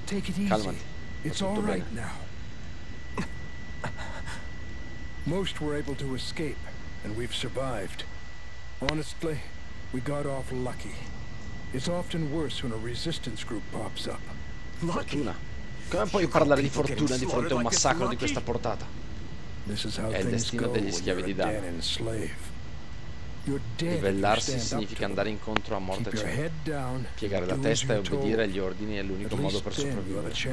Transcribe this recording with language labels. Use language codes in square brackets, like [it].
[en] Take it easy. [it] Calmati. [en] It's all right now. Most were able to escape, and we've survived. Honestly, we got off lucky. It's often worse when a resistance group pops up. Lucky? [it] Come puoi parlare di fortuna di fronte a un massacro di questa portata? [en] This is how things go when you're a Dan enslave. You're dead. [it] Livellarsi significa andare incontro a morte cieca. Piegare la testa e obbedire agli ordini è l'unico modo per sopravvivere.